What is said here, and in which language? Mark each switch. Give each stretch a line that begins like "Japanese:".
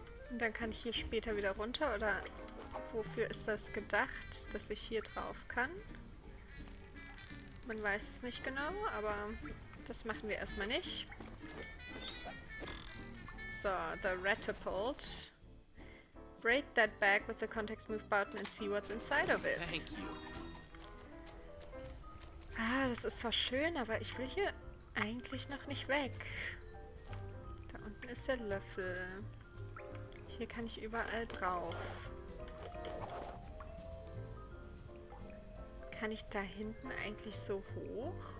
German: Und dann kann ich hier später wieder runter, oder wofür ist das gedacht, dass ich hier drauf kann? Man weiß es nicht genau, aber das machen wir erstmal nicht.
English: So, the ratapult. Break that bag with the context move button and see what's inside of it. Thank you.
German: Ah, das ist zwar schön, aber ich will hier eigentlich noch nicht weg. Da unten ist der Löffel. Hier kann ich überall drauf. Kann ich da hinten eigentlich so hoch?